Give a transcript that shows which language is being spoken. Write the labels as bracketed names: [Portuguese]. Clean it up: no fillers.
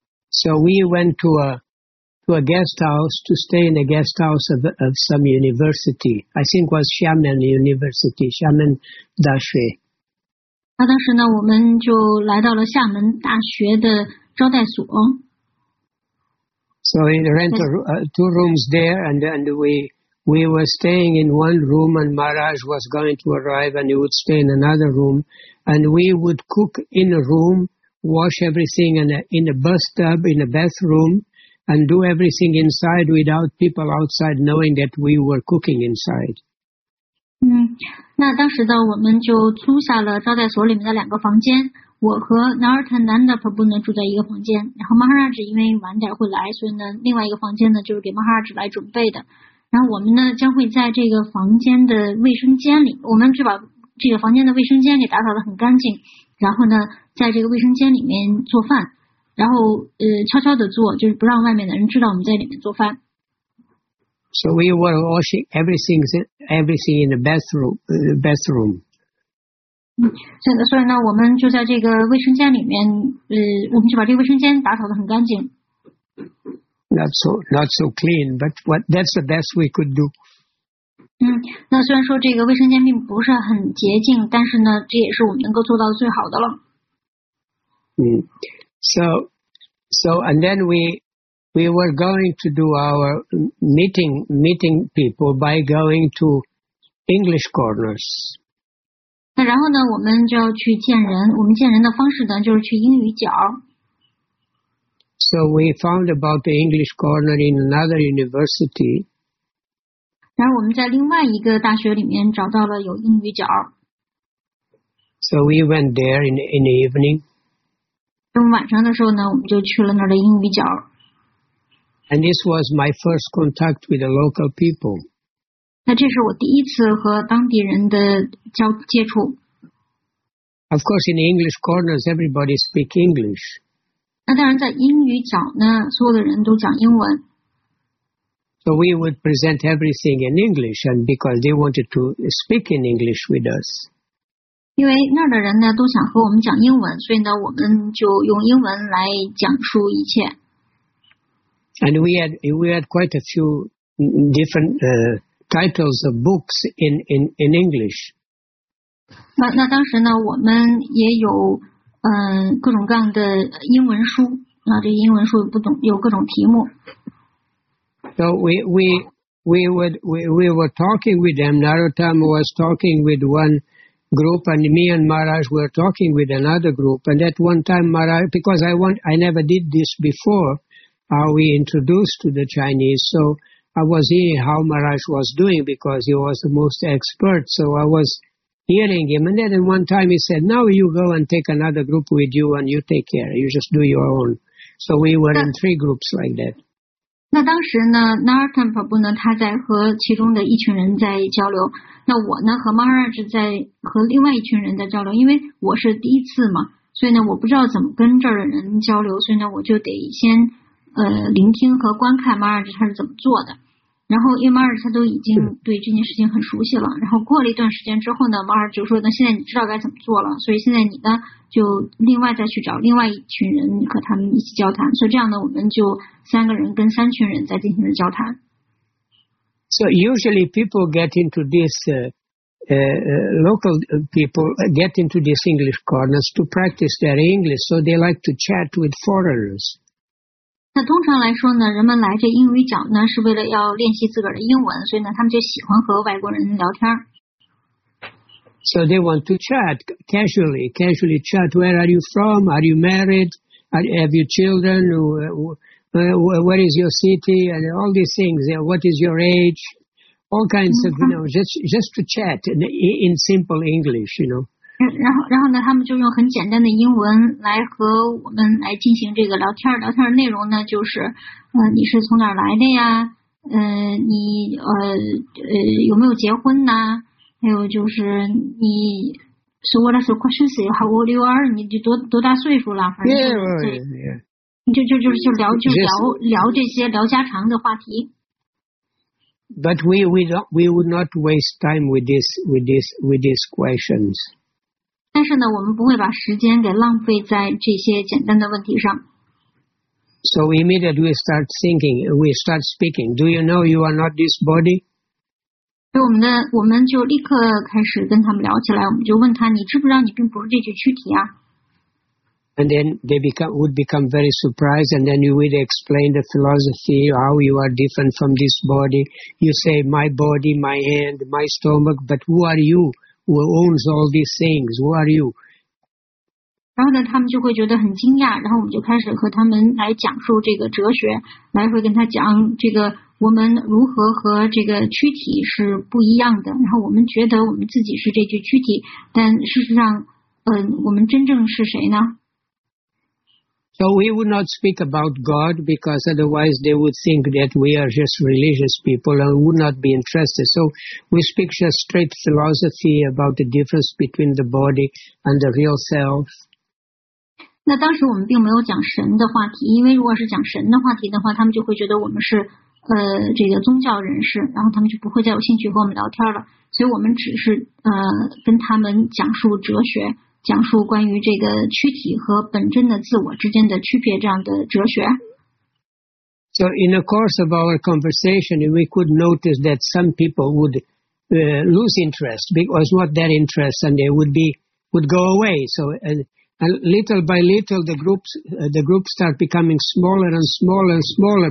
[English] So we went to a guest house to stay in a guest house of some university. I think was Xiamen University, Xiamen 大学。 [Chinese] 那当时呢，我们就来到了厦门大学的招待所。 [English] So we rent two rooms there, and we were staying in one room, and Maharaj was going to arrive, and he would stay in another room, and we would cook in a room, wash everything in a bathtub, in a bathroom, and do everything inside without people outside knowing that we were cooking inside. [Chinese] 那当时呢，我们就租下了招待所里面的两个房间。我和 Narottananda Prabhu 呢住在一个房间，然后 Maharaj 因为晚点会来，所以呢另外一个房间呢就是给 Maharaj 来准备的。然后我们呢将会在这个房间的卫生间里，我们就把这个房间的卫生间给打扫得很干净，然后呢在这个卫生间里面做饭，然后悄悄地做，就是不让外面的人知道我们在里面做饭。 [English] So we were washing everything in the bathroom. [Chinese] 所以呢，我们就在这个卫生间里面，我们就把这个卫生间打扫得很干净。 [English] Not so clean, but that's the best we could do. [Chinese] 那虽然说这个卫生间并不是很洁净，但是呢，这也是我们能够做到最好的了。 [English] So and then we were going to do our meeting people by going to English corners. [Chinese] 那然后呢，我们就要去见人。我们见人的方式呢，就是去英语角。 [English] So we found about the English corner in another university. [Chinese] 然后我们在另外一个大学里面找到了有英语角。 [English] So we went there in the evening. [Chinese] 那么晚上的时候呢，我们就去了那儿的英语角。 [English] And this was my first contact with the local people. [Chinese] 那这是我第一次和当地人的接触。 [English] Of course, in the English corners, everybody speaks English. [Chinese] 那当然，在英语角呢，所有的人都讲英文。 [English] So we would present everything in English, and because they wanted to speak in English with us. [Chinese] 因为那儿的人呢，都想和我们讲英文，所以呢，我们就用英文来讲述一切。 [English] And we had quite a few different titles of books in English. [Chinese] 那当时呢，我们也有各种各样的英文书。那这英文书不懂，有各种题目。 [English] So we were talking with them. Narottam was talking with one group, and me and Maharaj were talking with another group. And at one time, Maharaj, because I never did this before. Are we introduced to the Chinese? So I was hearing how Maharaj was doing because he was the most expert. So I was hearing him. And then one time he said, now you go and take another group with you and you take care. You just do your own. So we were in three groups like that. [Chinese] 那当时呢 Narottam Prabhu 呢他在和其中的一群人在交流。那我呢和 Maharaj 在和另外一群人在交流，因为我是第一次嘛，所以呢我不知道怎么跟这儿的人交流，所以呢我就得先聆听和观看 Maharaj 他是怎么做的，然后因为 Maharaj 他都已经对这件事情很熟悉了，然后过了一段时间之后呢 ，Maharaj 就说：“那现在你知道该怎么做了，所以现在你呢就另外再去找另外一群人和他们一起交谈。” 所以这样呢，我们就三个人跟三群人在进行了交谈。 [English] So usually people get into this local people get into this English corners to practice their English, so they like to chat with foreigners. [Chinese] 那通常来说呢，人们来这英语角呢是为了要练习自个儿的英文，所以呢他们就喜欢和外国人聊天。 [English] So they want to chat casually chat. Where are you from? Are you married? Have you children? Where is your city? And all these things. What is your age? All kinds of, you know, just to chat in simple English, you know. [Chinese] 然后呢他们就用很简单的英文来和我们来进行这个聊天。聊天的内容呢就是你是从哪儿来的呀，你有没有结婚呢，还有就是你 [English] so what are the questions, how old you are, [Chinese] 你就多大岁数了，反正 [English] yeah. [Chinese] 就聊这些聊家常的话题。 [English] But we would not waste time with these questions. [Chinese] 但是呢，我们不会把时间给浪费在这些简单的问题上。 [English] So immediately we start thinking, we start speaking. Do you know you are not this body? [Chinese] 所以我们就立刻开始跟他们聊起来。我们就问他，你知不知道你并不是这具躯体啊？ [English] And then they would become very surprised, and then you would explain the philosophy, how you are different from this body. You say, my body, my hand, my stomach, but who are you who owns all these things? Who are you? [Chinese] 然后呢，他们就会觉得很惊讶，然后我们就开始和他们来讲述这个哲学，来回跟他讲这个我们如何和这个躯体是不一样的，然后我们觉得我们自己是这具躯体，但事实上，我们真正是谁呢？ [English] So we would not speak about God because otherwise they would think that we are just religious people and would not be interested. So we speak just straight philosophy about the difference between the body and the real self. [Chinese] 那当时我们并没有讲神的话题，因为如果是讲神的话题的话，他们就会觉得我们是这个宗教人士，然后他们就不会再有兴趣和我们聊天了。所以我们只是跟他们讲述哲学。讲述关于这个躯体和本真的自我之间的区别这样的哲学。 [English] So in the course of our conversation, we could notice that some people would lose interest because not their interest, and they would go away. So little by little, the groups start becoming smaller and smaller and smaller.